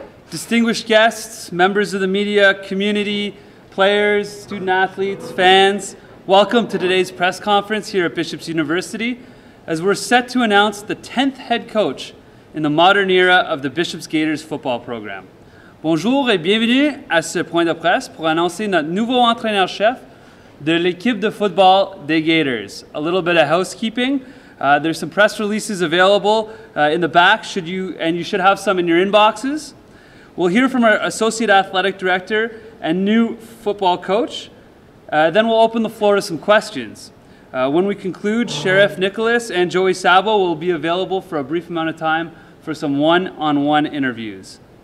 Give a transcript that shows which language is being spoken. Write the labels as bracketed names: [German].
[English] Distinguished guests, members of the media, community, players, student athletes, fans, welcome to today's press conference here at Bishop's University, as we're set to announce the 10th head coach in the modern era of the Bishop's Gaiters football program. [French] Bonjour et bienvenue à ce point de presse pour annoncer notre nouveau entraîneur-chef de l'équipe de football des Gaiters. [English] A little bit of housekeeping. There's some press releases available in the back, should you have some in your inboxes. We'll hear from our associate athletic director and new football coach. Then we'll open the floor to some questions. When we conclude, Chérif Nicolas and Joey Sabo will be available for a brief amount of time for some one-on-one interviews.